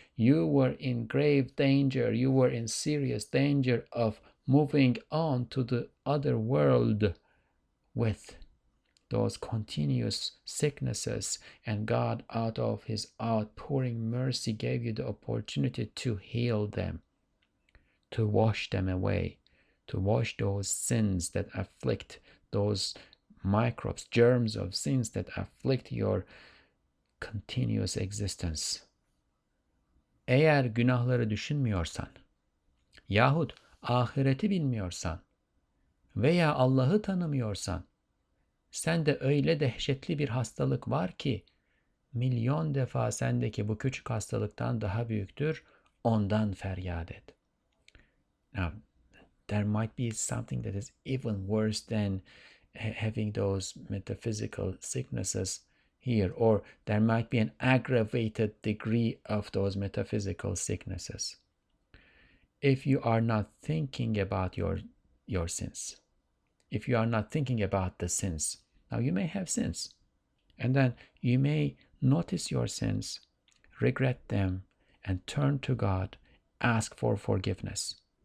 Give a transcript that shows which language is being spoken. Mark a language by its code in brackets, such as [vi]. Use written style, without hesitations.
[en] You were in grave danger. You were in serious danger of moving on to the other world with those continuous sicknesses, and God, out of his outpouring mercy, gave you the opportunity to heal them, to wash them away, to wash those sins that afflict, those microbes, germs of sins that afflict your continuous existence. [tr] Eğer günahları düşünmüyorsan, yahut ahireti bilmiyorsan veya Allah'ı tanımıyorsan, sende öyle dehşetli bir hastalık var ki, milyon defa sendeki bu küçük hastalıktan daha büyüktür, ondan feryat et. [en] Now, there might be something that is even worse than having those metaphysical sicknesses here, or there might be an aggravated degree of those metaphysical sicknesses. If you are not thinking about your sins, if you are not thinking about the sins, now you may have sins, and then you may notice your sins, regret them, and turn to God, ask for forgiveness.